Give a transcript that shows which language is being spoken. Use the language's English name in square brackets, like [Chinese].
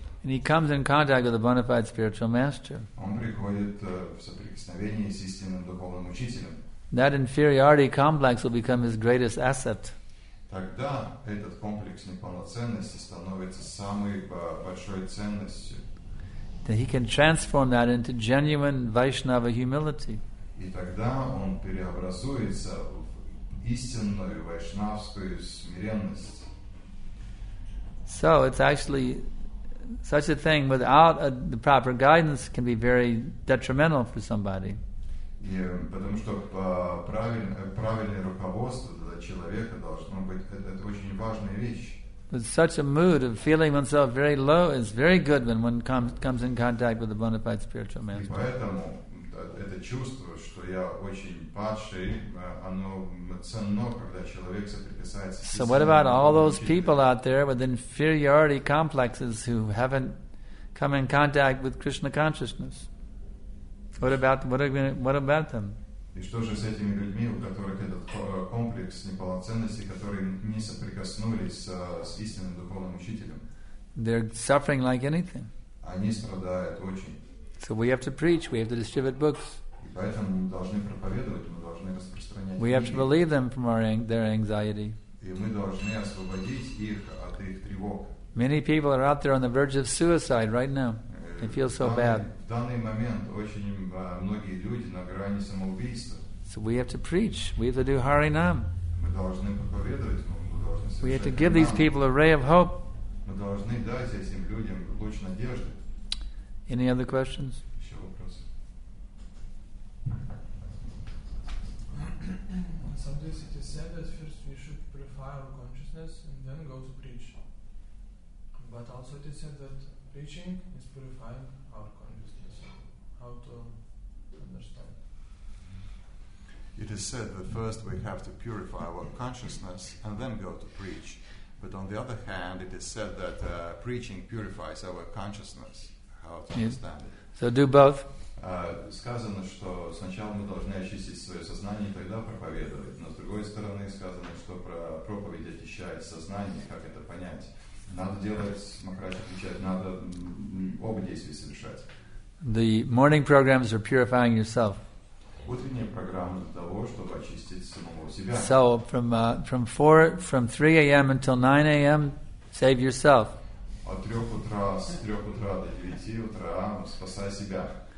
[English] and he comes in contact with a bona fide spiritual master, [Russian] он приходит в соприкосновение с истинным духовным учителем, [English] that inferiority complex will become his greatest asset. [Russian] Тогда этот комплекс неполноценности становится самой большой ценностью. [English] That he can transform that into genuine Vaishnava humility. [Russian] И тогда он преобразуется в истинную вайшнавскую смиренность. [English] So it's actually such a thing without the proper guidance can be very detrimental for somebody. [Russian] И потому что правильное руководство человека должно быть это очень важная вещь. [English] But such a mood of feeling oneself very low is very good when one comes in contact with a bona fide spiritual master. [Russian] И поэтому это чувство, что я очень падший, оно ценно, когда человек соприкасается. [English] So what about all those people out there with inferiority complexes who haven't come in contact with Krishna consciousness? What about them? [Russian] И что же с этими людьми, у которых этот комплекс неполноценности, которые не соприкоснулись с истинным духовным учителем? [English] They're suffering like anything. [Russian] Они страдают очень. [English] So we have to preach, we have to distribute books. [Russian] И поэтому мы должны проповедовать, мы должны распространять. [English] We have to relieve them from their anxiety. [Russian] И мы должны освободить их от их тревог. [English] Many people are out there on the verge of suicide right now. They feel so bad. [Russian] В данный момент очень многие люди на грани самоубийства. [English] So we have to preach. We have to do Харинам. [Russian] Мы должны проповедовать, мы должны совершать. [English] We have to give these people a ray of hope. [Russian] Мы должны дать этим людям луч надежды. [English] Any other questions? [Russian] Еще вопросы. [English] Some days it is said that first we should purify our consciousness and then go to preach. But also it is said that preaching is purifying our consciousness. How to understand? It is said that first we have to purify our consciousness and then go to preach. But on the other hand, it is said that preaching purifies our consciousness. How to understand it? So do both. [Russian] Сказано, что сначала мы должны очистить свое сознание и тогда проповедовать. Но с другой стороны, сказано, что проповедь очищает сознание. Как это понять? Надо делать, махрать, отвечать. Надо оба действия совершать. [English] The morning programs are purifying yourself. [Russian] Утренние программы для того, чтобы очистить самого себя. [English] So from 3 a.m. until 9 a.m. save yourself. [Russian] От 3 утра, с 3 утра до 9 утра спасай себя.